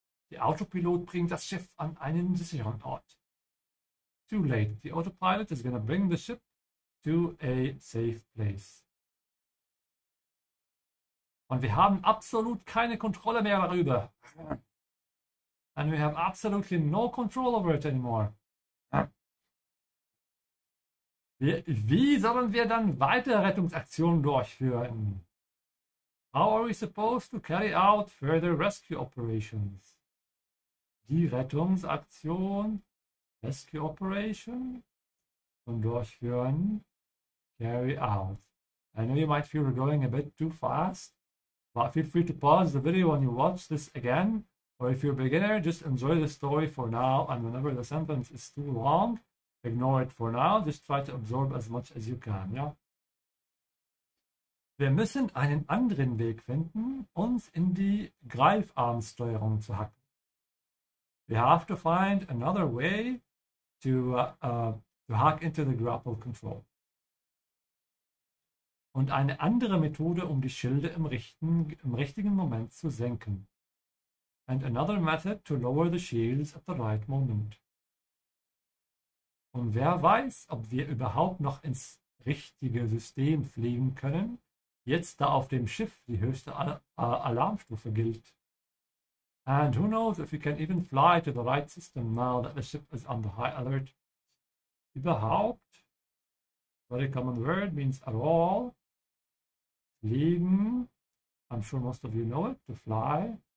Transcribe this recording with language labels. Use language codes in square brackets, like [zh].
[de] Der Autopilot bringt das Schiff an einen sicheren Ort. [en] Too late. The autopilot is gonna bring the ship to a safe place. [de] Und wir haben absolut keine Kontrolle mehr darüber. [en] And we have absolutely no control over it anymore. [de] Wie sollen wir dann weitere Rettungsaktionen durchführen? [en] How are we supposed to carry out further rescue operations? Die Rettungsaktion, rescue operation, und durchführen, carry out. I know you might feel we're going a bit too fast, but feel free to pause the video when you watch this again. Or if you're a beginner, just enjoy the story for now, and whenever the sentence is too long, ignore it for now. Just try to absorb as much as you can, yeah? [de] Wir müssen einen anderen Weg finden, uns in die Greifarmsteuerung zu hacken. [en] We have to find another way to hack into the grapple control. [de] Und eine andere Methode, um die Schilde im richtigen Moment zu senken. [en] And another method to lower the shields at the right moment. [de] Und wer weiß, ob wir überhaupt noch ins richtige System fliegen können, jetzt da auf dem Schiff die höchste Alarmstufe gilt. [en] And who knows if we can even fly to the right system now that the ship is on the high alert. Überhaupt, very common word, means at all. Fliegen, I'm sure most of you know it, to fly.